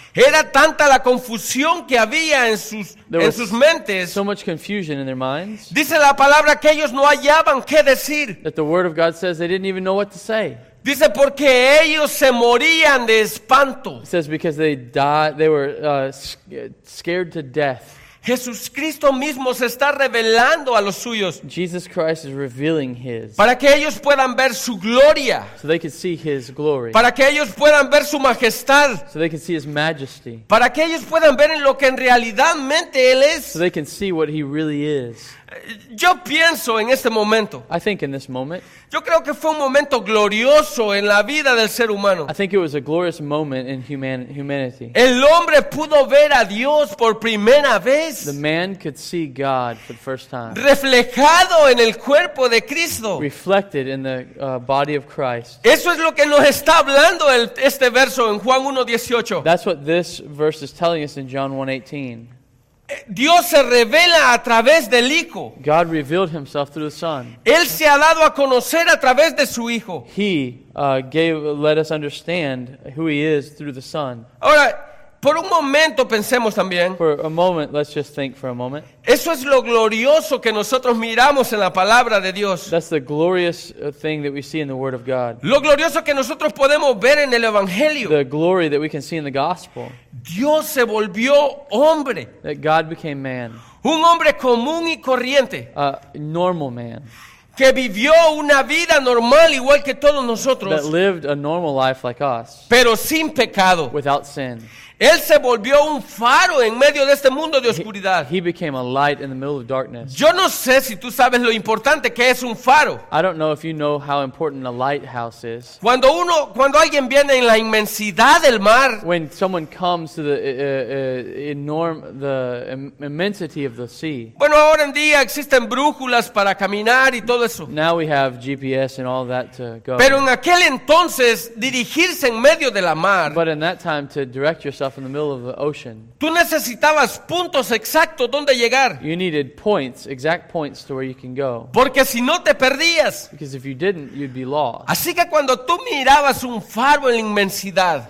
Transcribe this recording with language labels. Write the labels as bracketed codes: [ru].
[es] Era tanta la confusión que había en sus mentes. [en] So much confusion in their minds. [es] Dice la palabra que ellos no hallaban qué decir. [en] That the word of God says they didn't even know what to say. [es] Dice porque ellos se morían de espanto. [en] It says because they were scared to death. [es] Jesucristo mismo se está revelando a los suyos. [en] Jesus Christ is revealing his. [es] Para que ellos puedan ver su gloria. [en] So they can see his glory. [es] Para que ellos puedan ver su majestad. [en] So they can see his majesty. [es] Para que ellos puedan ver en lo que en realidad mente él es. [en] So they can see what he really is. [es] Yo pienso en este momento. [en] I think in this moment. [es] Yo creo que fue un momento glorioso en la vida del ser humano. [en] I think it was a glorious moment in humanity. [es] El hombre pudo ver a Dios por primera vez. [en] The man could see God for the first time. [es] Reflejado en el cuerpo de Cristo. [en] Reflected in the body of Christ. [es] Eso es lo que nos está hablando este verso en Juan 1:18. [en] That's what this verse is telling us in John 1:18. [es] Dios se revela a través del Hijo. [en] God revealed himself through the Son. [es] Él se ha dado a conocer a través de su Hijo. [en] He let us understand who he is through the Son. [es] Ahora, Por un momento pensemos también. [en] For a moment, let's just think for a moment. [es] Eso es lo glorioso que nosotros miramos en la palabra de Dios. [en] That's the glorious thing that we see in the word of God. [es] Lo glorioso que nosotros podemos ver en el evangelio. [en] The glory that we can see in the gospel. [es] Dios se volvió hombre. [en] That God became man. [es] Un hombre común y corriente. [en] A normal man. [es] Que vivió una vida normal igual que todos nosotros. [en] That lived a normal life like us. [es] Pero sin pecado. [en] Without sin. [es] Él se volvió un faro en medio de este mundo de oscuridad. [en] He became a light in the middle of darkness. [es] Yo no sé si tú sabes lo importante que es un faro. [en] I don't know if you know how important a lighthouse is. [es] Cuando alguien viene en la inmensidad del mar. [en] When someone comes to the immensity of the sea. [es] Bueno, ahora en día existen brújulas para caminar y todo eso. [en] Now we have GPS and all that to go. [es] Pero en aquel entonces dirigirse en medio de la mar. [en] But in that time to direct yourself in the middle of the ocean. [es] Tú necesitabas puntos exactos donde llegar. [en] You needed points, exact points to where you can go. [es] Porque si no te perdías. [en] Because if you didn't, you'd be lost. [es] Así que cuando tú mirabas un faro en la inmensidad.